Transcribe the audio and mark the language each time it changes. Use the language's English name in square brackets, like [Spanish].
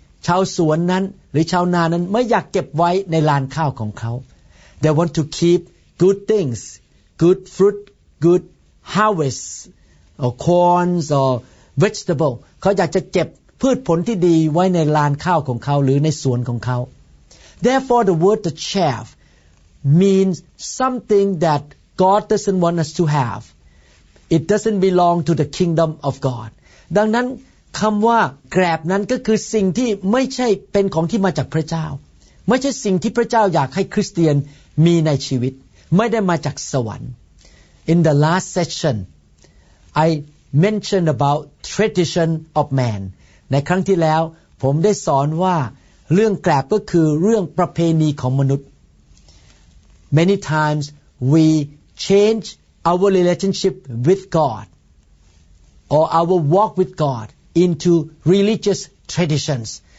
[Thai] ชาวสวนนั้นหรือชาวนานั้นไม่อยากเก็บไว้ในลานข้าวของเขา [English] They want to keep good things, good fruit, good harvest, or corn or vegetable. [Thai] เขาอยากจะเก็บพืชผลที่ดีไว้ในลานข้าวของเขาหรือในสวนของเขา [English] Therefore, the word the chaff means something that God doesn't want us to have. It doesn't belong to the kingdom of God. [Thai] ดังนั้นคำว่าแกรบนั้นก็คือสิ่งที่ไม่ใช่เป็นของที่มาจากพระเจ้าไม่ใช่สิ่งที่พระเจ้าอยากให้คริสเตียนมีในชีวิตไม่ได้มาจากสวรรค์ [English] In the last session I mentioned about tradition of man [Thai] ในครั้งที่แล้วผมได้สอนว่าเรื่องแกรบก็คือเรื่องประเพณีของมนุษย์ [English] Many times we change our relationship with God or our walk with GodInto religious traditions.